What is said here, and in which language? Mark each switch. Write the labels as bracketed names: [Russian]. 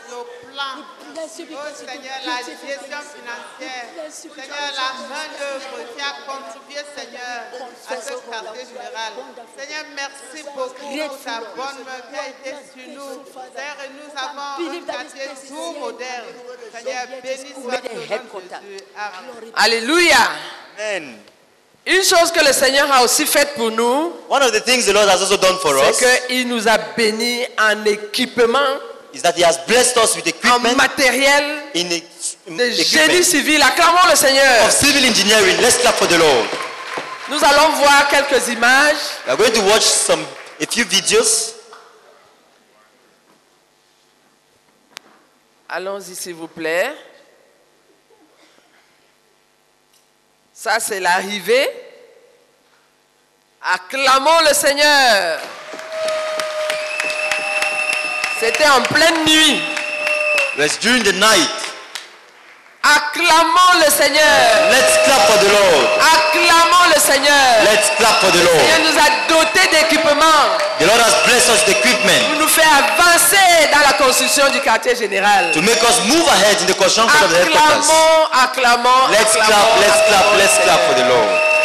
[French] Oh Seigneur, la gestion financière, Seigneur, la main d'œuvre qui a contribué, Seigneur, à ce quartier général. Seigneur, merci beaucoup pour ta bonne main qui a été sur nous. Seigneur, nous avons un quartier tout moderne. Seigneur, béni soit ton nom, Jésus. Alléluia. Amen. Une chose que le Seigneur a aussi faite pour nous, [English] one of the things the Lord has also done for us, [French] c'est qu'il nous a bénis en équipement. [English] Is that he has blessed us with equipment, [French] en matériel, [English] in [French] génie civil. Acclamons le Seigneur. [English] Of civil engineering, let's clap for the Lord. [French] Nous allons voir quelques images. [English] We are going to watch a few videos. [French] Allons-y, s'il vous plaît. Ça, c'est l'arrivée. Acclamons le Seigneur. C'était en pleine nuit. [English] It's during the night. [French] Acclamons le Seigneur. [English] Let's clap for the Lord. [French] Acclamons le Seigneur. [English] Let's clap for the Lord. [French] Le Seigneur nous a doté d'équipement. [English] The Lord has blessed us with equipment. [French] Pour nous faire avancer dans la construction du quartier général. [English] To make us move ahead in the construction of the headquarters. [French] Acclamons, acclamons. [English] Let's clap, let's clap, let's clap for the Lord.